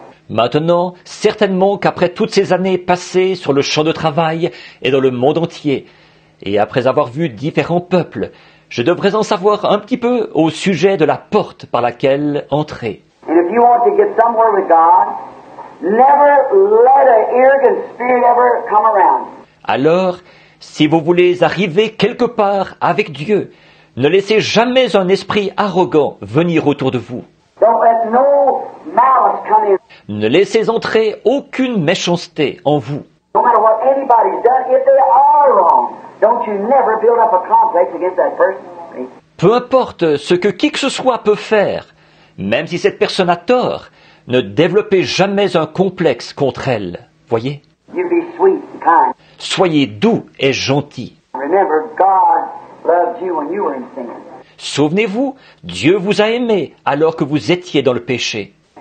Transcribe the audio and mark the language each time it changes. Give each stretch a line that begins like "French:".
French: Maintenant, certainement qu'après toutes ces années passées sur le champ de travail et dans le monde entier, et après avoir vu différents peuples, je devrais en savoir un petit peu au sujet de la porte par laquelle entrer.
English: And if you want to get somewhere with God, never let an arrogant spirit ever come around.
French: Alors, si vous voulez arriver quelque part avec Dieu, ne laissez jamais un esprit arrogant venir autour de vous.
English: Don't let no malice come in.
French: Ne laissez entrer aucune méchanceté en vous.
English: No matter what anybody's done, if they are wrong, don't you never build up a complex against that person.
French: Peu importe ce que qui que ce soit peut faire, même si cette personne a tort, ne développez jamais un complexe contre elle. Voyez?
English: You be sweet and kind.
French: Soyez doux et gentil.
English: Remember, God loved you when you were in sin.
French: Souvenez-vous, Dieu vous a aimé alors que vous étiez dans le péché.